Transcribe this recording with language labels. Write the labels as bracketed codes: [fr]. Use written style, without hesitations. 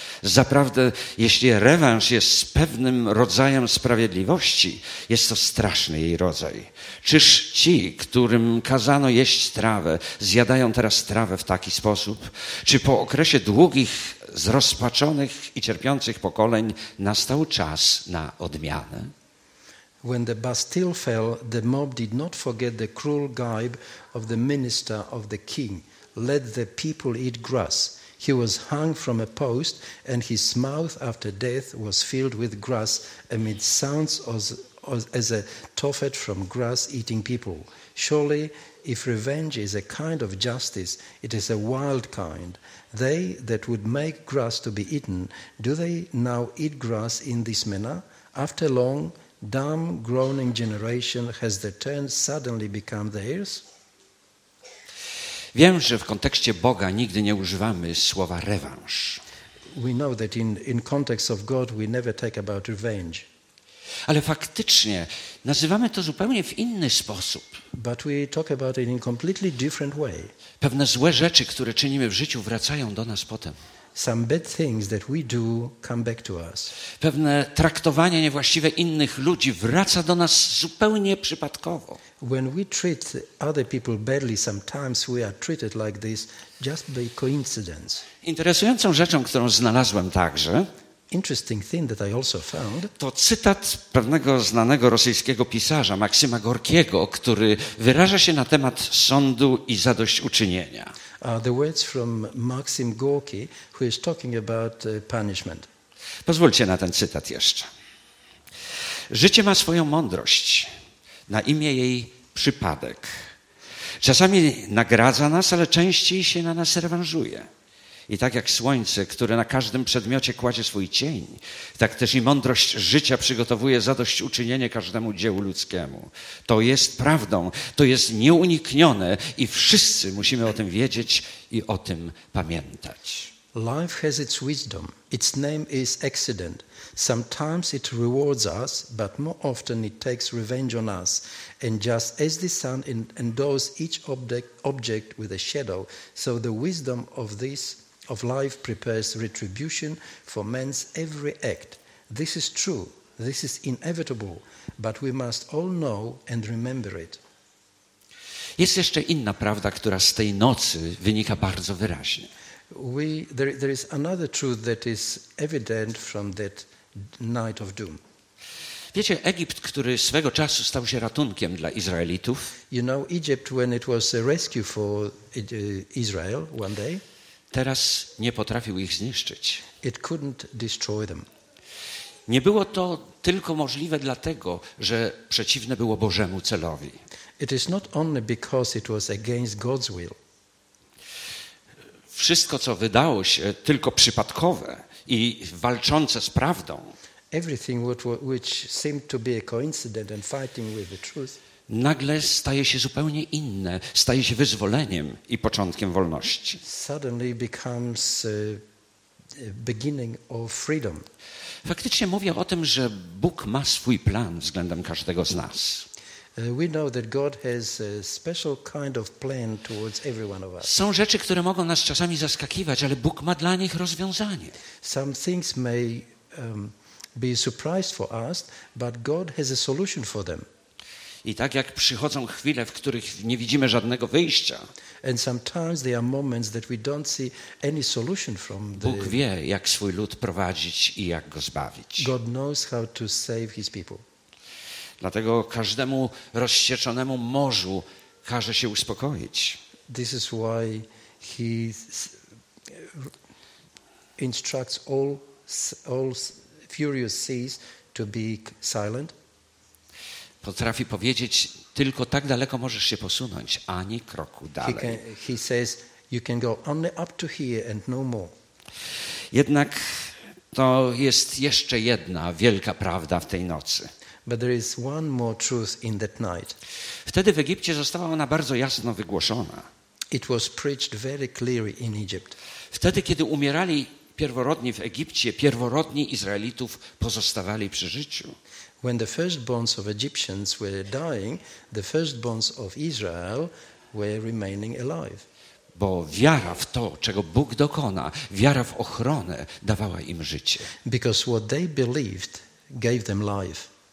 [pl] Zaprawdę, jeśli rewanż jest pewnym rodzajem sprawiedliwości, jest to straszny jej rodzaj. Czyż ci, którym kazano jeść trawę, zjadają teraz trawę w taki sposób? Czy po okresie długich, zrozpaczonych i cierpiących pokoleń nastał czas na odmianę? [en] When the Bastille fell, the mob did not forget the cruel gibe of the minister of the king. Let the people eat grass. He was hung from a post, and his mouth after death was filled with grass amid sounds as a tophet from grass eating people. Surely, if revenge is a kind of justice, it is a wild kind. They that would make grass to be eaten, do they now eat grass in this manner? After long, dumb, groaning generation, has the turn suddenly become theirs? [pl] Wiem, że w kontekście Boga nigdy nie używamy słowa rewanż. [en] We know that in context of God we never talk about revenge. [pl] Ale faktycznie nazywamy to zupełnie w inny sposób. [en] But we talk about it in completely different way. [pl] Pewne złe rzeczy, które czynimy w życiu, wracają do nas potem. [en] Some bad things that we do come back to us. [pl] Pewne traktowanie niewłaściwe innych ludzi wraca do nas zupełnie przypadkowo. [en] When we treat other people badly, sometimes we are treated like this just by coincidence. [pl] Interesującą rzeczą, którą znalazłem także, [en] interesting thing that I also found, [pl] to cytat pewnego znanego rosyjskiego pisarza Maksyma Gorkiego, który wyraża się na temat sądu i zadośćuczynienia. [en] The words from Maxim Gorki, who is talking about punishment. [pl] Pozwólcie na ten cytat jeszcze. Życie ma swoją mądrość, na imię jej przypadek. Czasami nagradza nas, ale częściej się na nas rewanżuje. I tak jak słońce, które na każdym przedmiocie kładzie swój cień, tak też i mądrość życia przygotowuje zadośćuczynienie każdemu dziełu ludzkiemu. To jest prawdą, to jest nieuniknione i wszyscy musimy o tym wiedzieć i o tym pamiętać. [en] Life has its wisdom. Its name is accident. Sometimes it rewards us, but more often it takes revenge on us. And just as the sun endows each object with a shadow, so the wisdom of life prepares retribution for man's every act. This is true. This is inevitable. But we must all know and remember it. [pl] Jest jeszcze inna prawda, która z tej nocy wynika bardzo wyraźnie. [en] There is another truth that is evident from that night of doom. [pl] Wiecie, Egipt, który swego czasu stał się ratunkiem dla Izraelitów. [en] You know Egypt when it was a rescue for Israel one day. [pl] Teraz nie potrafił ich zniszczyć. [en] It couldn't destroy them. [pl] Nie było to tylko możliwe dlatego, że przeciwne było Bożemu celowi. [en] It is not only because it was against God's will. [pl] Wszystko, co wydało się tylko przypadkowe i walczące z prawdą, [en] everything which seemed to be a coincidence and fighting with the truth, [pl] nagle staje się zupełnie inne, staje się wyzwoleniem i początkiem wolności. [en] Suddenly becomes a beginning of freedom. [pl] Faktycznie mówię o tym, że Bóg ma swój plan względem każdego z nas. [en] We know that God has a special kind of plan towards every one of us. [pl] Są rzeczy, które mogą nas czasami zaskakiwać, ale Bóg ma dla nich rozwiązanie. [en] Some things may be a surprise for us, but God has a solution for them. [pl] I tak jak przychodzą chwile, w których nie widzimy żadnego wyjścia. [en] And sometimes there are moments that we don't see any solution from the [pl] Bóg wie, jak swój lud prowadzić i jak go zbawić. [en] God knows how to save his people. [pl] Dlatego każdemu rozsieczonemu morzu każe się uspokoić. [en] This is why he instructs all furious seas to be silent. [pl] Potrafi powiedzieć, tylko tak daleko możesz się posunąć, ani kroku dalej. [en] He says, you can go only up to here and no more. [pl] Jednak to jest jeszcze jedna wielka prawda w tej nocy. [en] But there is one more truth in that night. [pl] Wtedy w Egipcie została ona bardzo jasno wygłoszona. [en] It was preached very clearly in Egypt. [pl] Wtedy, kiedy umierali pierworodni w Egipcie, pierworodni Izraelitów pozostawali przy życiu. [en] When the firstborns of Egyptians were dying, the firstborns of Israel were remaining alive. [pl] Bo wiara w to, czego Bóg dokona, wiara w ochronę dawała im życie. Because what they believed gave them life.